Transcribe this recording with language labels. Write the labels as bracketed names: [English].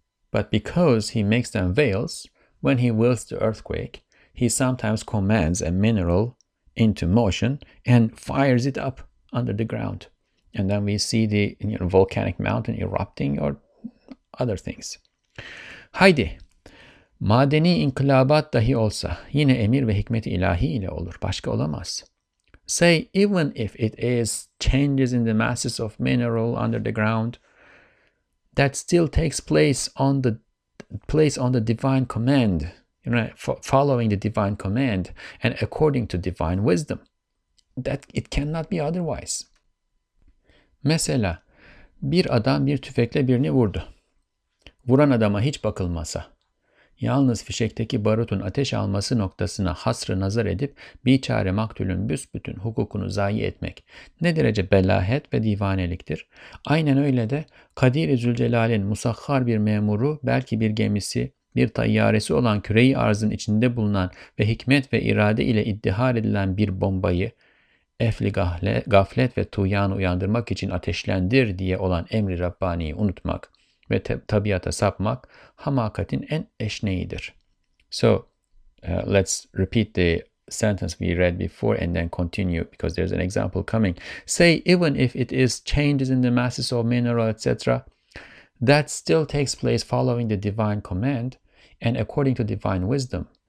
[English] But because he makes them veils, when he wills the earthquake, he sometimes commands a mineral into motion and fires it up under the ground. And then we see the volcanic mountain erupting or other things. [Turkish] Haydi. Madeni inkılabat dahi olsa yine emir ve hikmet ilahi ile olur. Başka olamaz. [English] Say, even if it is changes in the masses of mineral under the ground, that still takes place on the divine command, following the divine command and according to divine wisdom. That it cannot be otherwise. [Turkish] Mesela, bir adam bir tüfekle birini vurdu. Vuran adama hiç bakılmasa. Yalnız fişekteki barutun ateş alması noktasına hasrı nazar edip biçare maktulün büsbütün hukukunu zayi etmek ne derece belahet ve divaneliktir. Aynen öyle de Kadir-i Zülcelal'in musahhar bir memuru, belki bir gemisi, bir tayyaresi olan küre-i arzın içinde bulunan ve hikmet ve irade ile iddihar edilen bir bombayı efli gaflet ve tuğyanı uyandırmak için ateşlendir diye olan emri Rabbani'yi unutmak ve tabiata sapmak hamakatin en eşneğidir. [English] So, let's repeat the sentence we read before and then continue, because there's an example coming. Say, even if it is changes in the masses of mineral, etc., that still takes place following the divine command and according to divine wisdom.